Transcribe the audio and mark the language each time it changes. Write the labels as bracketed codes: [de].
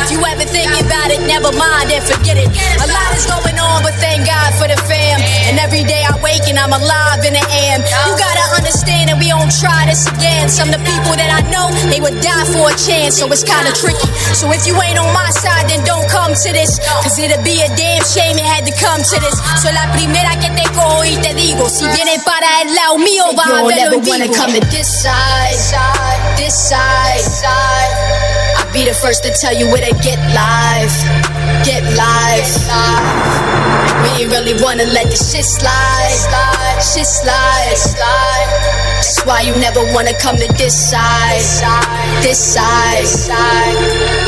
[en] If you ever think about it, never mind and forget it. A lot is going on, but thank God for the fam. And every day I wake and I'm alive in the AM. You gotta understand that we don't try this again. Some of the people that I know, they would die for a chance. So it's kinda tricky. So if you ain't on my side, then don't come to this. Cause it'd be a damn shame it had to come to this. [es] So la primera que te cojo y te digo, si vienes para el lado mío, va a haber un vivo. [en] You don't ever wanna come to this side, this side, this side. I'll be the first to tell you where to get live, get live. We ain't really wanna let this shit slide, shit slide, shit slide. That's why you never wanna come to this side, this side, this side.